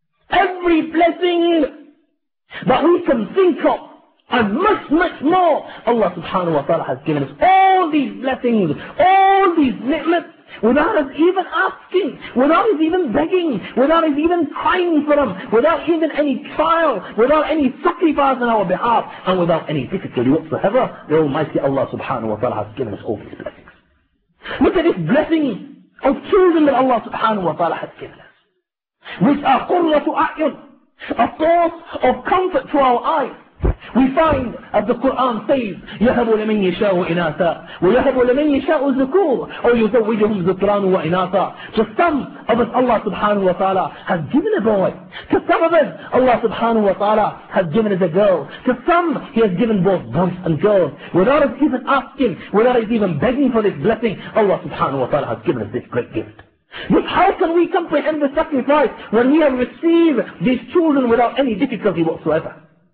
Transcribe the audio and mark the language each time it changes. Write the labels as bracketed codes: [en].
[en] Every blessing that we can think of, and much, much more, Allah subhanahu wa ta'ala has given us all these blessings, all these ni'mat, without us even asking, without us even begging, without us even crying for them, without even any trial, without any sacrifice on our behalf, and without any difficulty whatsoever, the Almighty Allah subhanahu wa ta'ala has given us all these blessings. Look at this blessing of children that Allah subhanahu wa ta'ala has given us, which are qurratu a'yun, a source of comfort to our eyes. We find, as the Quran says, [ar] يَهَبُ لَمَنْ يَشَاءُ إِنَاثًا وَيَهَبُ لَمَنْ يَشَاءُ ذُكُورًا أَوْ يُزَوِّجُهُمْ ذُكْرَانُ وَإِنَاثًا. [en] To some of us, Allah subhanahu wa ta'ala has given a boy. To some of us, Allah subhanahu wa ta'ala has given us a girl. To some, He has given both boys and girls. Without us even asking, without us even begging for this blessing, Allah subhanahu wa ta'ala has given us this great gift. But how can we comprehend the sacrifice when we have received these children without any difficulty whatsoever?